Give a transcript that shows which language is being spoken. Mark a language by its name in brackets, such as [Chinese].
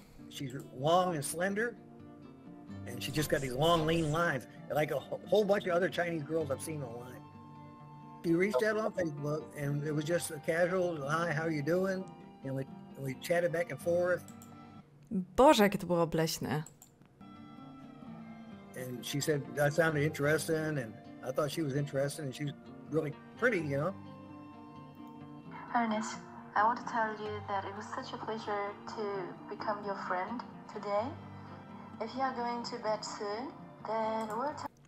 [English] She's long and slender, and she just got these long, lean lines, like a whole bunch of other Chinese girls I've seen online. She reached out on Facebook, and it was just a casual, hi, how are you doing? And we chatted back and forth. [Polish] Boże, jakie to było obleśne. [English] And she said that sounded interesting, and I thought she was interesting, and she's really pretty, you know. Ernest, I want to tell you that it was such a pleasure to become your friend today. If you are going to bed soon, then we'll talk.